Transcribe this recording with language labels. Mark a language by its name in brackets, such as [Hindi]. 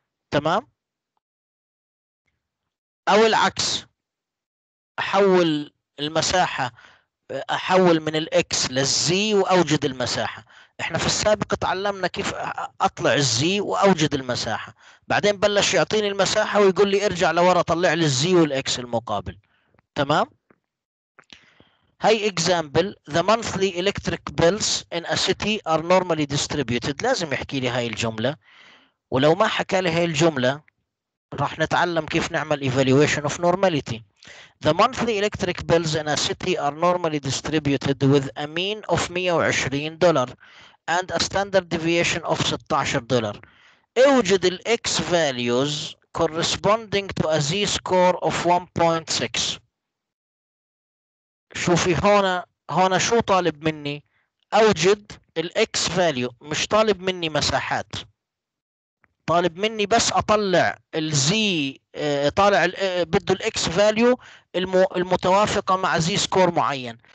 [Arabic] تمام؟ أو العكس، أحول المساحة، أحول من الإكس للزي وأوجد المساحة. إحنا في السابق تعلمنا كيف أطلع الزي وأوجد المساحة، بعدين بلش يعطيني المساحة ويقول لي ارجع لورا طلع لي الزي والإكس المقابل. تمام؟ هاي [English] example، the monthly electric bills in a city are normally distributed. [Arabic] لازم يحكي لي هاي الجملة، ولو ما حكى لي هاي الجملة راح نتعلم كيف نعمل [English] evaluation of normality. The monthly electric bills in a city are normally distributed with a mean of $120 and a standard deviation of $16. [Arabic] اوجد ال [English] x values corresponding to a z score of 1.6. [Arabic] شوفي هنا شو طالب مني؟ أوجد الـ X value، مش طالب مني مساحات، طالب مني بس أطلع الـ Z، طالع بده الـ X value المتوافقة مع Z score معين.